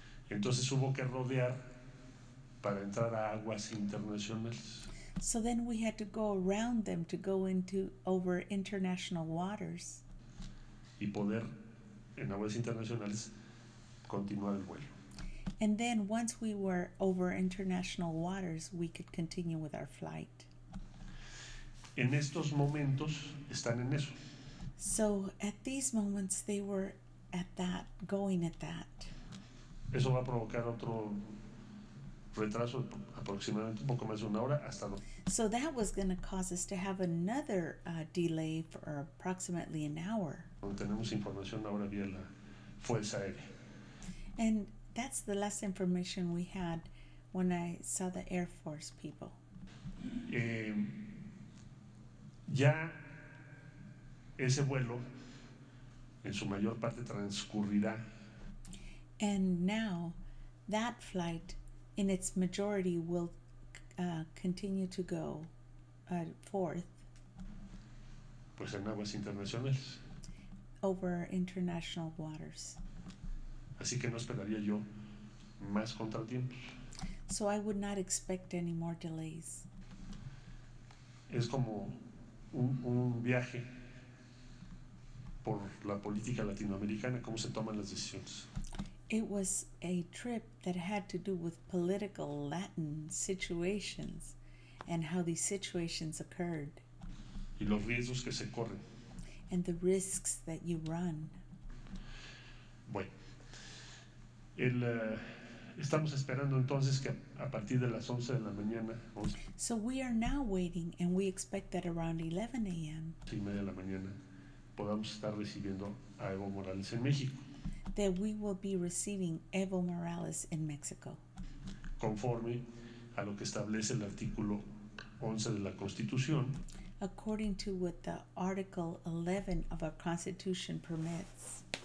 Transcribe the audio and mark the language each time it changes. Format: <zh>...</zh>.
<es>Entonces hubo que rodear para entrar a aguas internacionales.</es> <en>So then we had to go around them to go into over international waters.</en> <es>Y poder en aguas internacionales continuar el vuelo.</es> <en>And then once we were over international waters, we could continue with our flight.</en> <es>En estos momentos están en eso.</es> <en>So at these moments they were at that, going at that.</en> <es>Eso va a provocar otro retraso aproximadamente un poco más de una hora hasta dos.</es> <en>So that was going to cause us to have another delay for approximately an hour.</en> <es>Tenemos información ahora vía la fuerza aérea.</es> <en>And that's the last information we had when I saw the Air Force people.</en> <es>Ya ese vuelo en su mayor parte transcurrirá.</es> <en>And now that flight in its majority will continue to go forth.</en> <es>Pues en aguas internacionales.</es> <en>Over international waters.</en> <es>Así que no esperaría yo más contratiempos.</es> <en>So I would not expect any more delays.</en> <es>Es como un viaje por la política latinoamericana, cómo se toman las decisiones.</es> <en>It was a trip that had to do with political Latin situations and how these situations occurred.</en> <es>Y los riesgos que se corren.</es> <en>And the risks that you run.</en> <es>Bueno, estamos esperando entonces que a partir de las 11 de la mañana.</es> <en>So we are now waiting and we expect that around 11 a.m.</en> <es>11 y media de la mañana podamos estar recibiendo a Evo Morales en México.</es> <en>That we will be receiving Evo Morales in Mexico.</en> <es>Conforme a lo que establece el artículo 11 de la Constitución.</es> <en>According to what the Article 11 of our Constitution permits.</en>